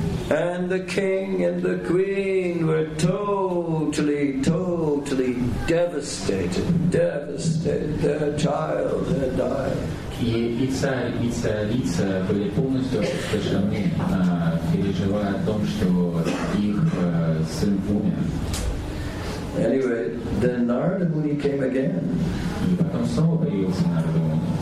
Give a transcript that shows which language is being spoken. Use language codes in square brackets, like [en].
[en] And the king and the queen were totally, totally devastated. Devastated. Their child had died. [ru] И царица были полностью опустошены, переживая о том, что их сын умер. [en] Anyway, then Narada Muni came again. [ru] И потом снова появился Нарада Муни.